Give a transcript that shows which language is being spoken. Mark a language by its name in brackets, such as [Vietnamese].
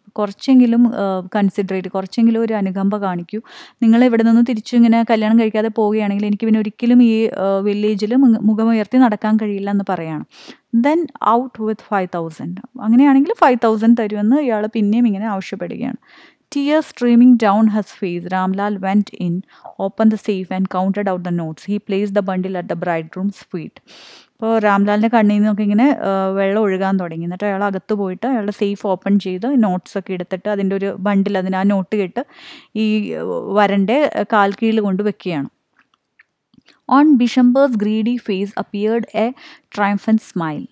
[Malayalam] കുറച്ചെങ്കിലും കൺസിഡറേറ്റ്, കുറച്ചെങ്കിലും ഒരു അനുകമ്പ കാണിക്കൂ. നിങ്ങൾ ഇവിടെ നിന്ന് തിരിച്ചു ഇങ്ങനെ കല്യാണം കഴിക്കാതെ പോവുകയാണെങ്കിൽ എനിക്ക് പിന്നെ ഒരിക്കലും ഈ വില്ലേജിൽ മുഖമുയർത്തി നടക്കാൻ കഴിയില്ല എന്ന് പറയാണ്. [English] Then out with 5,000. [Malayalam] അങ്ങനെയാണെങ്കിൽ 5,000 തരുമെന്ന് ഇയാൾ പിന്നെയും ഇങ്ങനെ ആവശ്യപ്പെടുകയാണ്. [English] Tears streaming down his face, Ramlal went in, opened the safe and counted out the notes. He placed the bundle at the bridegroom's feet. [Malayalam] അപ്പോൾ റാംലാലിൻ്റെ കണ്ണിൽ നിന്നൊക്കെ ഇങ്ങനെ വെള്ളം ഒഴുകാൻ തുടങ്ങി. എന്നിട്ട് അയാൾ അകത്ത് പോയിട്ട് അയാളുടെ സേഫ് ഓപ്പൺ ചെയ്ത് നോട്ട്സൊക്കെ എടുത്തിട്ട് അതിൻ്റെ ഒരു ബണ്ടിൽ അതിന് ആ നോട്ട് കേട്ട് ഈ വരൻ്റെ കാൽക്കീഴിൽ കൊണ്ട് വെക്കുകയാണ്. [English] On Bishamber's greedy face appeared a triumphant smile.